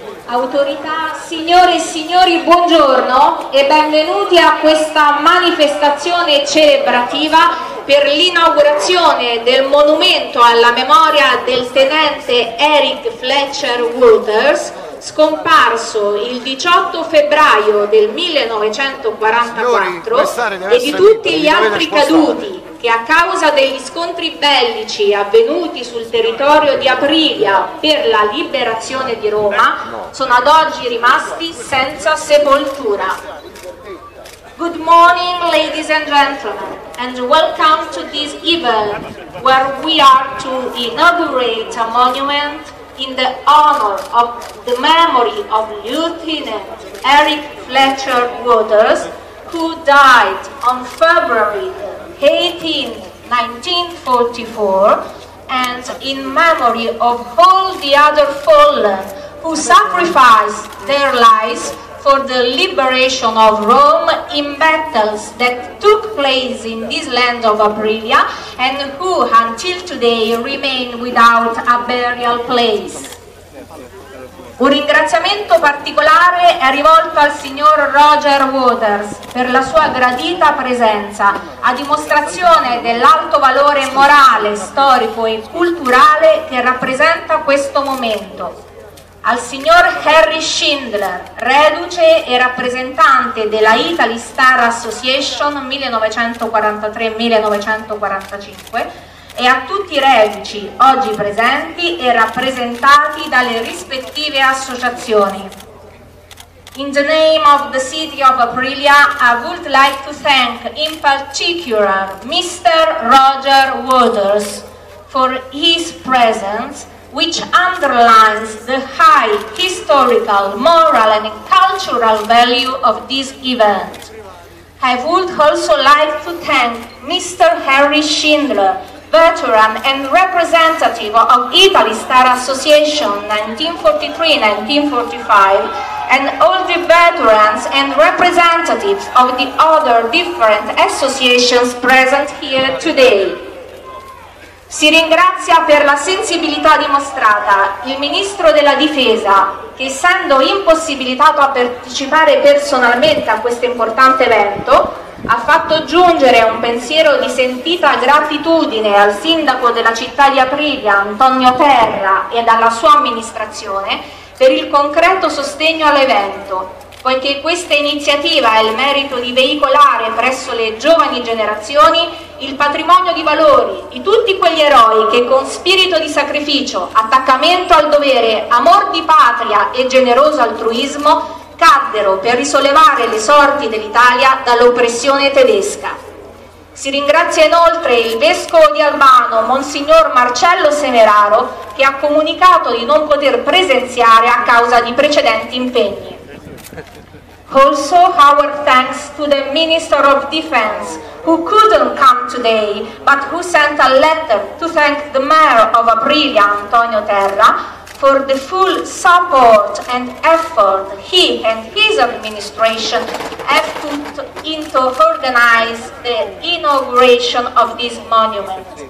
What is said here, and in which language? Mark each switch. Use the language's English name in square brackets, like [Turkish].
[Italian] Autorità, signore e signori, buongiorno e benvenuti a questa manifestazione celebrativa per l'inaugurazione del monumento alla memoria del tenente Eric Fletcher Wolters, scomparso il 18 febbraio del 1944, signori, e di tutti gli altri caduti che a causa degli scontri bellici avvenuti sul territorio di Aprilia per la liberazione di Roma sono ad oggi rimasti senza sepoltura. [English] Good morning, ladies and gentlemen, and welcome to this event where we are to inaugurate a monument in the honor of the memory of Lieutenant Eric Fletcher Waters, who died on February 18, 1944, and in memory of all the other fallen who sacrificed their lives for the liberation of Rome in battles that took place in this land of Aprilia and who until today remain without a burial place. [Italian] Un ringraziamento particolare è rivolto al signor Roger Waters per la sua gradita presenza, a dimostrazione dell'alto valore morale, storico e culturale che rappresenta questo momento. Al signor Harry Schindler, reduce e rappresentante della Italy Star Association 1943-1945, e a tutti i reduci oggi presenti e rappresentati dalle rispettive associazioni. [English] In the name of the city of Aprilia, I would like to thank in particular Mr. Roger Waters for his presence, which underlines the high historical, moral and cultural value of this event. I would also like to thank Mr. Harry Schindler, veteran and representative of Italy Star Association 1943-1945, and all the veterans and representatives of the other different associations present here today. [Italian] Si ringrazia per la sensibilità dimostrata il Ministro della Difesa, che essendo impossibilitato a partecipare personalmente a questo importante evento, ha fatto giungere un pensiero di sentita gratitudine al sindaco della città di Aprilia, Antonio Terra, e alla sua amministrazione per il concreto sostegno all'evento, poiché questa iniziativa ha il merito di veicolare presso le giovani generazioni il patrimonio di valori di tutti quegli eroi che con spirito di sacrificio, attaccamento al dovere, amor di patria e generoso altruismo caddero per risollevare le sorti dell'Italia dall'oppressione tedesca. Si ringrazia inoltre il vescovo di Albano, Monsignor Marcello Semeraro, che ha comunicato di non poter presenziare a causa di precedenti impegni. [English] Also our thanks to the Minister of Defense, who couldn't come today, but who sent a letter to thank the Mayor of Aprilia, Antonio Terra, for the full support and effort he and his administration have put into organizing the inauguration of this monument,